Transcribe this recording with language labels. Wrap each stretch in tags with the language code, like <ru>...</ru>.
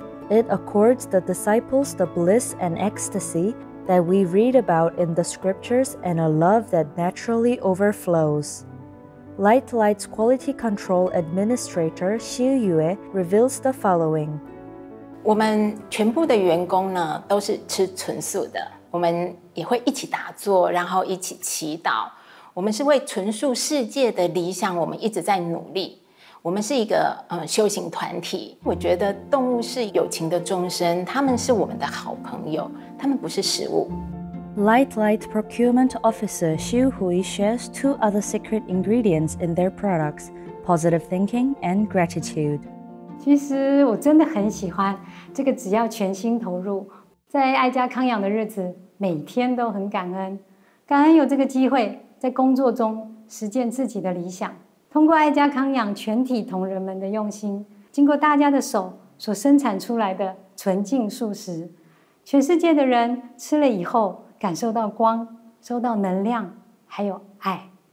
<en>It accords the disciples the bliss and ecstasy that we read about in the scriptures and a love that naturally overflows. Light Light's Quality Control Administrator Xiu Yue reveals the following.</en> <zh>我们全部的员工呢都是吃纯素的，我们也会一起打坐，然后一起祈祷。我们是为纯素世界的理想，我们一直在努力。我们是一个修行团体。我觉得动物是友情的众生，他们是我们的好朋友，他们不是食物。</zh> <en>Lightlight Procurement Officer Xu Hui shares two other secret ingredients in their products: positive thinking and gratitude.</en> <zh>其实我真的很喜欢这个，只要全心投入，在爱家康养的日子，每天都很感恩，感恩有这个机会在工作中实践自己的理想。通过爱家康养全体同仁们的用心，经过大家的手所生产出来的纯净素食，全世界的人吃了以后感受到光，收到能量，还有爱。</zh>